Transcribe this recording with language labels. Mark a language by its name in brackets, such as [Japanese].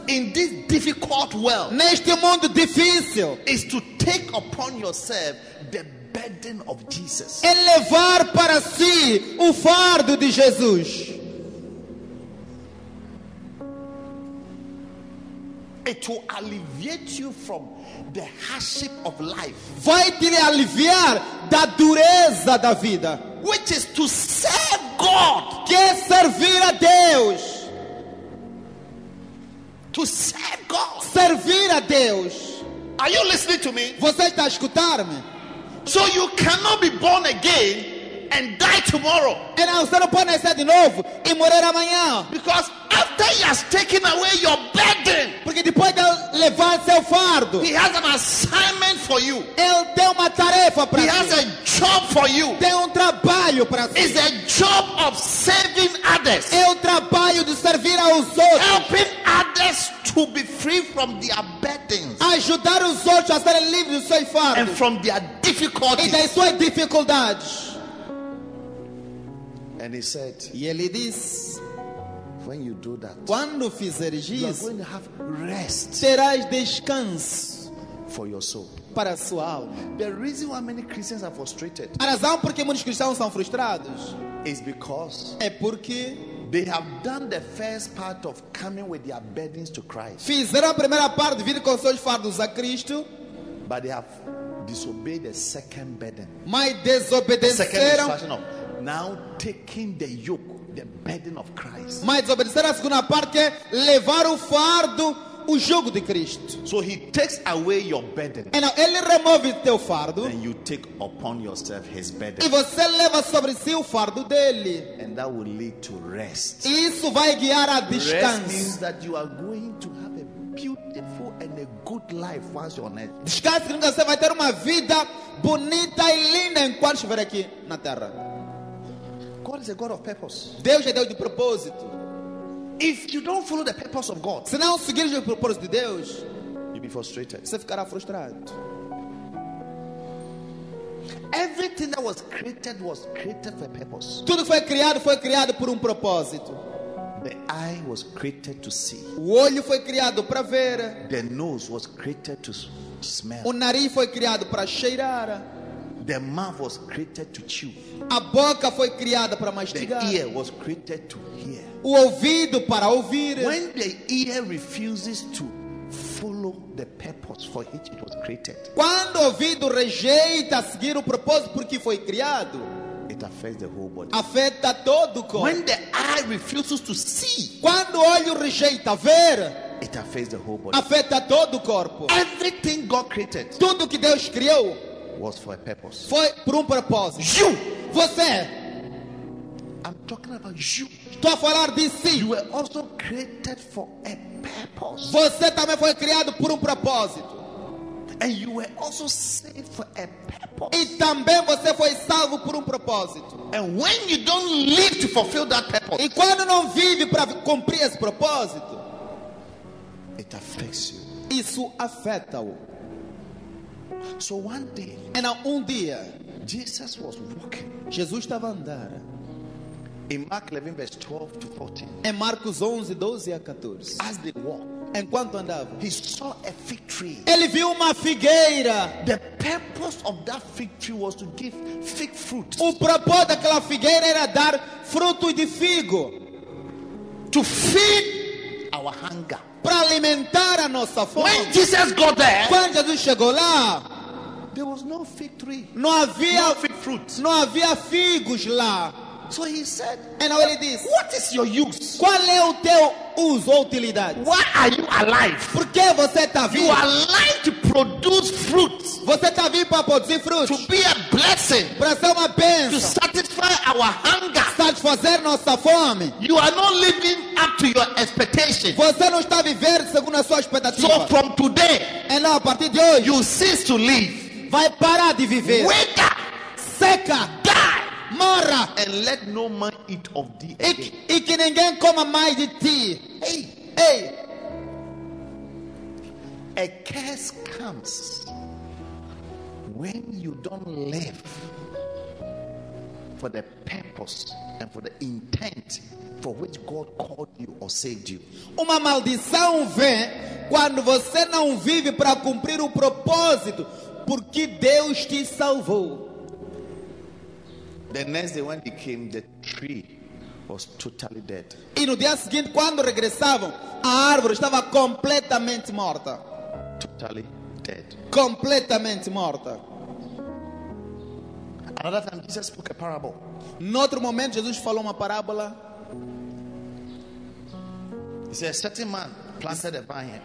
[English] in this difficult world, [Portuguese] neste mundo difícil, [English] is to take upon yourself the burden of Jesus. [Portuguese] É levar para si o fardo de Jesus. [English] It will alleviate you from the hardship of life. [Portuguese] Vai te aliviar da dureza da vida. [English] Which is to serve God. [Portuguese] Que é servir a Deus. [English] To serve God. [Portuguese] Servir a Deus. [English] Are you listening to me? [Portuguese] Você está a escutar-me? [English] So you cannot be born again and die tomorrow. [Portuguese] Então você não pode nascer de novo e morrer amanhã. [English] Because after he has taken away your burden, [Portuguese] porque depois de levar seu fardo, [English] he has an assignment for you. [Portuguese] Ele tem uma tarefa para você. [English] He has a job for you. [Portuguese] Tem trabalho para você. [English] It's a job of serving others. [Portuguese] É trabalho de servir aos outros. [English] Helping others to be free from their burdens. [Portuguese] Ajudar os outros a serem livres do seu fardo. [English] And from their difficulties. [Portuguese] E das suas dificuldades. [English] And he said, [Portuguese] e ele diz, [English] when you do that, [Portuguese] quando fizeres isso, [English] you are going to have rest, [Portuguese] terás descanso [English] for your soul, [Portuguese] para a sua alma. [English] The reason why many Christians are frustrated, [Portuguese] a razão por que muitos cristãos são frustrados, [English] is because [Portuguese] é porque [English] they have done the first part of coming with their burdens to Christ, [Portuguese] fizeram a primeira parte de vir com seus fardos a Cristo, [English] but they have disobeyed the second burden, [Portuguese] mas desobedeceram [English] the second Now taking the yoke, the burden of Christ. [Portuguese] Mas obedecer a segunda parte é levar o fardo, o jugo de Cristo. [English] So he takes away your burden. [Portuguese] E não, ele remove teu fardo. [English] And you take upon yourself his burden. [Portuguese] E você leva sobre si o fardo dele. [English] And that will lead to rest. [Portuguese] E isso vai guiar a descanso. [English] Rest means that you are going to have a beautiful and a good life once you're on earth. [Portuguese] Descanso significa que você vai ter uma vida bonita e linda enquanto estiver aqui na terra. [English] God is a God of purpose. [Portuguese] Deus é Deus de propósito. [English] If you don't follow the purpose of God, [Portuguese] se não seguir o propósito de Deus, [English] you'll be frustrated. [Portuguese] Você ficará frustrado. [English] Everything that was created for a purpose. [Portuguese] Tudo que foi criado por um propósito. [English] The eye was created to see. [Portuguese] O olho foi criado para ver. [English] The nose was created to smell. [Portuguese] O nariz foi criado para cheirar. [English] The mouth was created to chew. [Portuguese] A boca foi criada para mastigar. [English] The ear was created to hear. [Portuguese] O ouvido para ouvir. [English] When the ear refuses to follow the purpose for which it was created. [Portuguese] Quando o ouvido rejeita seguir o propósito por que foi criado, [English] it affects the whole body. [Portuguese] Afeta todo o corpo. [English] When the eye refuses to see. [Portuguese] Quando o olho rejeita ver, [English] it affects the whole body. [Portuguese] Afeta todo o corpo. [English] Everything God created. [Portuguese] Tudo que Deus criou [English] was for a purpose. [Portuguese] Foi por um propósito. [English] You, [Portuguese] você. [English] I'm talking about you. [Portuguese] Estou a falar de si. [English] You were also created for a purpose. [Portuguese] Você também foi criado por um propósito. [English] And you were also saved for a purpose. [Portuguese] E também você foi salvo por um propósito. [English] And when you don't live to fulfill that purpose. [Portuguese] E quando não vive para cumprir esse propósito, [English] it affects you. [Portuguese] Isso afeta-o. [English] So one day, and now [Portuguese] um dia, [English] Jesus was walking. [Portuguese] Jesus estava andando. [English] In Mark 11 verse 12 to 14. [Portuguese] Em Marcos 11, 12 a 14. [English] As they walked, [Portuguese] enquanto andava, [English] he saw a fig tree. [Portuguese] Ele viu uma figueira. [English] The purpose of that fig tree was to give fig fruit. [Portuguese] O propósito daquela figueira era dar fruto de figo. [English] To feed our hunger. [Portuguese] Para alimentar a nossa fome. [English] When Jesus got there, [Portuguese] quando Jesus chegou lá, [English] there was no fig tree. [Portuguese] Não havia [English] no fig fruit. [Portuguese] Não havia figos lá. [English] So he said, and now it is, what is your use? [Portuguese] Qual é o teu uso ou utilidade? [English] Why are you alive? [Portuguese] Por que você está vivo? [English] You are alive to produce fruits. [Portuguese] Você está vivo para produzir frutos. [English] To be a blessing. [Portuguese] Para ser uma bênção. [English] To satisfy our hunger. [Portuguese] Satisfazer nossa fome. [English] You are not living up to your expectations. [Portuguese] Você não está vivendo segundo a sua expectativa. [English] So from today, and now, [Portuguese] a partir de hoje, [English] you cease to live. [Portuguese] Vai parar de viver. [English] Wake up. [Portuguese] Seca. Mora. [English] And let no man eat of thee. [Portuguese] E que ninguém coma mais de ti. Hey, hey. [English] A curse comes when you don't live for the purpose and for the intent for which God called you or saved you. [Portuguese] Uma maldição vem quando você não vive para cumprir o propósito por que Deus te salvou. [English] The next day when he came, the tree was totally dead. [Portuguese] E no dia seguinte, quando regressavam, a árvore estava completamente morta. [English] Totally dead. [Portuguese] Completamente morta. [English] Another time, Jesus spoke a parable. [Portuguese] Noutro momento, Jesus falou uma parábola. [English] He said, a certain man planted a vineyard.